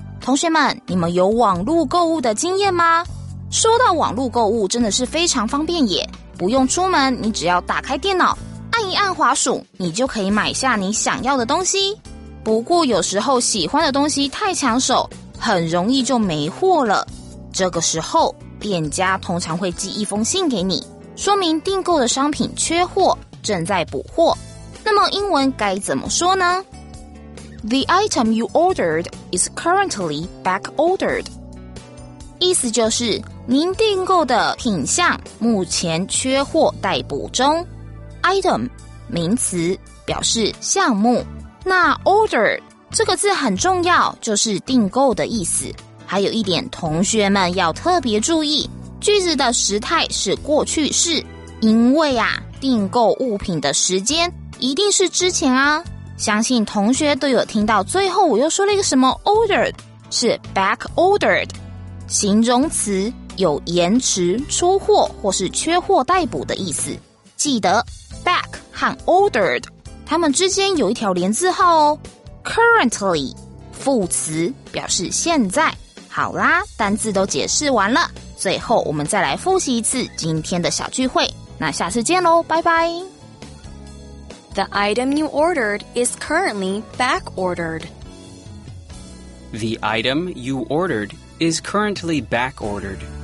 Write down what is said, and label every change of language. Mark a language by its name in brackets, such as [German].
[Chinese] 同学们，你们有网络购物的经验吗？说到网络购物，真的是非常方便也，不用出门，你只要打开电脑，按一按滑鼠，你就可以买下你想要的东西。不过有时候喜欢的东西太抢手，很容易就没货了。这个时候，店家通常会寄一封信给你，说明订购的商品缺货，正在补货。那么英文该怎么说呢？ [English] The item you ordered is currently back ordered. [Chinese] 意思就是您订购的品项目前缺货待补中。 [English] Item [Chinese] 名词表示项目，那 order 这个字很重要，就是订购的意思。还有一点同学们要特别注意，句子的时态是过去式，因为啊，订购物品的时间一定是之前啊。相信同学都有听到最后我又说了一个什么 ordered， 是 back ordered， 形容词，有延迟、出货或是缺货待补的意思。记得 back 和 ordered 它们之间有一条连字号哦。 currently 副词表示现在。好啦，单字都解释完了，最后我们再来复习一次今天的小聚会，那下次见咯，拜拜。 [English] The item you ordered is currently back ordered. The item you ordered is currently back ordered.